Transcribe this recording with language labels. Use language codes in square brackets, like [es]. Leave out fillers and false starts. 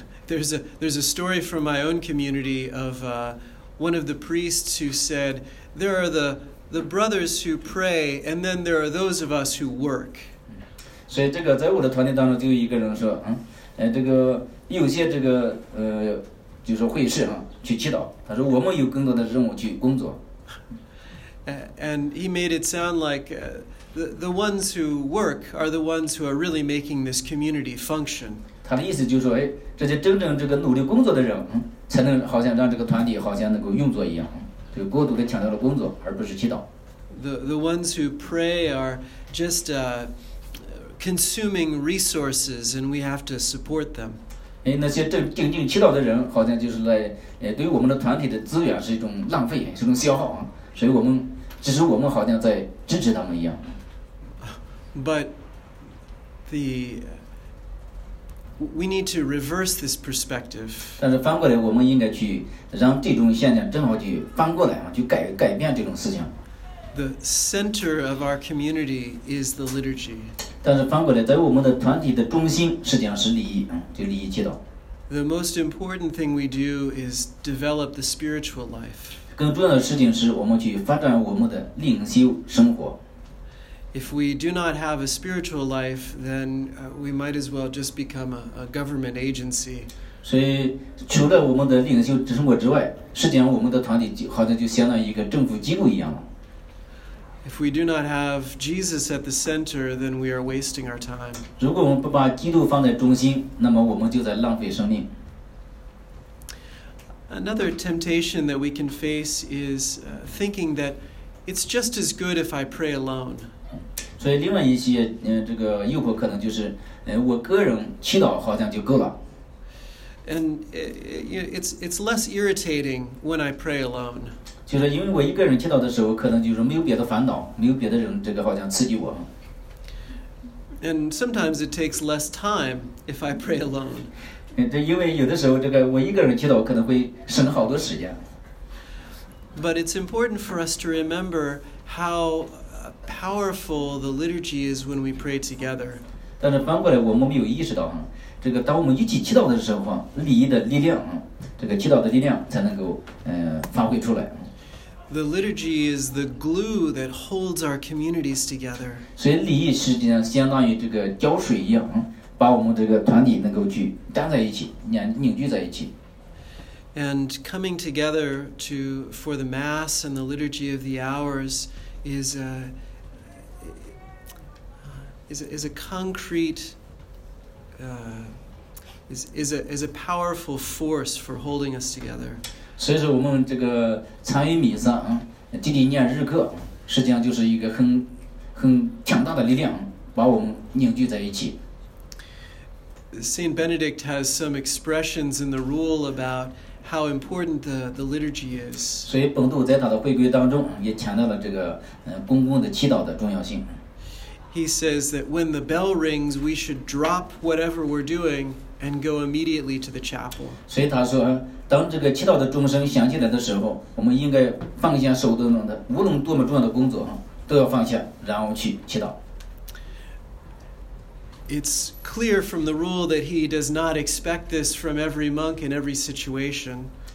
[en] There's a story from my own community of one of the priests who said, there are the brothers who pray, and then there are those of us who work. [zh] 所以这个在我的团队当中就一个人说，这个有些这个就是会士啊去祈祷，他说我们有更多的任务去工作。 [en] And he made it sound like the ones who work are the ones who are really making this community function. [zh] 他的意思就是说，哎，这些真正这个努力工作的人，才能好像让这个团体好像能够运作一样。这个过度的强调了工作，而不是祈祷。 [en] The ones who pray are just consuming resources, and we have to support them. [zh] 哎，那些正祈祷的人，好像就是来，对于我们的团体的资源是一种浪费，是一种消耗啊。所以我们只是我们好像在支持他们一样。 [en] But the we need to reverse this perspective. [zh] 但是翻过来，我们应该去让这种现象正好去翻过来啊，去改变这种思想。 [en] The center of our community is the liturgy. [zh] 但是翻过来，在我们的团体的中心实际上是礼仪，就礼仪祈祷。 [en] The most important thing we do is develop the spiritual life. [zh] 更重要的事情是我们去发展我们的灵修生活。 [en] If we do not have a spiritual life, then we might as well just become a government agency. [zh] 所以除了我们的灵修生活之外，实际上我们的团体就好像就相当于一个政府机构一样了。 [en] If we do not have Jesus at the center, then we are wasting our time. [zh] 如果我们不把基督放在中心，那么我们就在浪费生命。 [en] Another temptation that we can face is thinking that it's just as good if I pray alone. [zh] 所以另外一些这个诱惑可能就是我个人祈祷好像就够了。 [en] And it's less irritating when I pray alone. [zh] 就是因为我一个人祈祷的时候，可能就是没有别的烦恼，没有别的人这个好像刺激我。 [en] And sometimes it takes less time if I pray alone. [zh] 对，因为有的时候这个我一个人祈祷可能会省好多时间。 [en] But it's important for us to remember how powerful the liturgy is when we pray together. [zh] 但是反过来，我们没有意识到这个当我们一起祈祷的时候礼仪的力量，这个祈祷的力量才能够发挥出来。 [en] The liturgy is the glue that holds our communities together. [zh] 所以礼仪实际上相当于这个胶水一样。把我们这个团体能够去粘在一起，凝聚在一起。 [en] And coming together to for the mass and the liturgy of the hours is a powerful force for holding us together. [zh] 所以说，我们这个参与弥撒弟弟念日课，实际上就是一个很强大的力量，把我们凝聚在一起。 [en] Saint Benedict has some expressions in the rule about how important the liturgy is. [zh] 所以本笃在他的会规当中也强调了这个公共的祈祷的重要性。 [en] He says that when the bell rings, we should drop whatever we're doing and go immediately to the chapel. [zh] 所以他说，当这个祈祷的钟声响起来的时候，我们应该放下手中的无论多么重要的工作都要放下，然后去祈祷。 [en] It's clear from the rule that he does not expect this from every monk in every situation.